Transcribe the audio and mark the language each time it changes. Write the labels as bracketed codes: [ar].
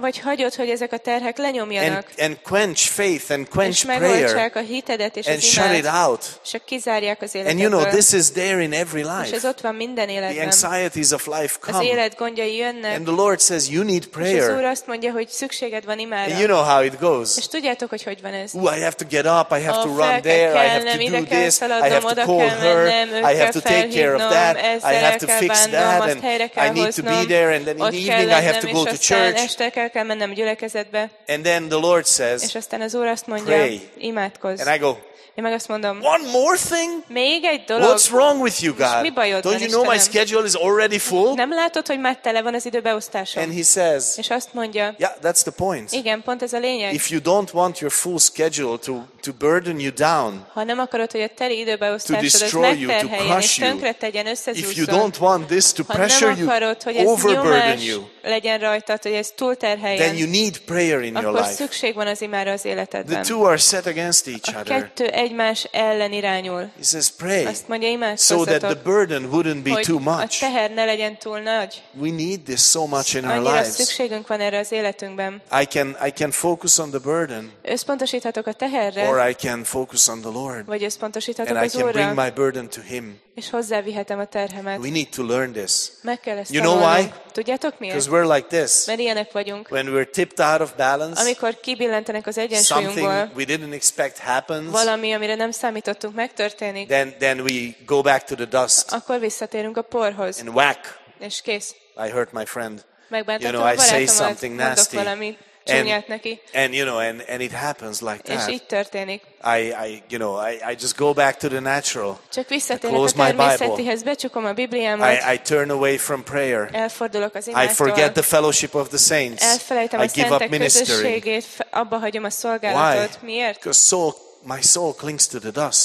[hu] Vagy hagyod, hogy ezek a terhek lenyomjanak? [en] And quench faith and quench prayer. And shut it out. And you know, this is there in every life. [hu] És ez ott van minden életben. [en] The anxieties of life come. [hu] Az élet gondjai jönnek. [en] And the Lord says, you need prayer. [hu] És az Úr azt mondja, hogy szükséged van imára. [en] You know how it goes. [hu] És tudjátok, hogy hogy van ez? [en] Ooh, I have to get up. I have to run there. I have to do this. I have to call her. I have to take care of that. I have to fix that. And I need to be there. And then in the evening I have to go to church. And then the Lord says, pray. And I go, [hu] én meg azt mondom, [en] one more thing? [hu] Még egy dolog. [en] What's wrong with you, God? [hu] Mi bajod, [en] don't you know [hu] Istenem? [en] My schedule is already full? [hu] Nem látod, hogy már tele van az időbeosztásom? [en] And he says, [hu] és azt mondja, [en] yeah, that's the point. [hu] Igen, pont ez a lényeg. [en] If you don't want your full schedule to burden you down, [hu] ha nem akarod, hogy a teli időbeosztásod, [en] to destroy you, to crush you, if you don't want this to pressure you, overburden you, [hu] legyen rajtad, hogy ez túlterheljen, [en] then you need prayer in your life. [hu] Akkor szükség van az imára az életedben. [en] The two are set against each other. [hu] Egymás ellen irányul. [en] He says, pray, [hu] azt mondja, imádkozzatok, [en] so that the burden wouldn't be too much. [hu] A teher ne legyen túl nagy. [en] We need this so much in our lives. [hu] Szükségünk van erre az életünkben. [en] I can focus on the burden. [hu] Összpontosíthatok a teherre. [en] Or I can focus on the Lord. [hu] Vagy összpontosíthatok az Úrra. [en] And I can bring my burden to him. [hu] És hozzávihetem a terhemet. [en] We need to learn this. [hu] Meg kell ezt [en] you know [hu] tanulnunk. [en] Why? [hu] Tudjátok miért? [en] Because we're like this. [hu] Mert ilyenek vagyunk. [en] When we're tipped out of balance. [hu] Amikor kibillentenek az egyensúlyunkból. [en] Something we didn't expect happens. [hu] Valami, amire nem számítottunk, megtörténik. [en] Then we go back to the dust. [hu] Akkor visszatérünk a porhoz. [en] And whack. [hu] És kész. [en] I hurt my friend. [hu] Megbántottam, [en] you know, I say something nasty. And you know, and it happens like that. [hu] És így történik. [en] I just go back to the natural. [hu] Csak visszatérek a természetihez, becsukom a Bibliámat. [en] I turn away from prayer. [hu] Elfordulok az imától. [en] I forget the fellowship of the saints. [hu] Elfelejtem a szentek közösségét, abba hagyom a szolgálatot. Miért? [en] Because my soul clings to the dust.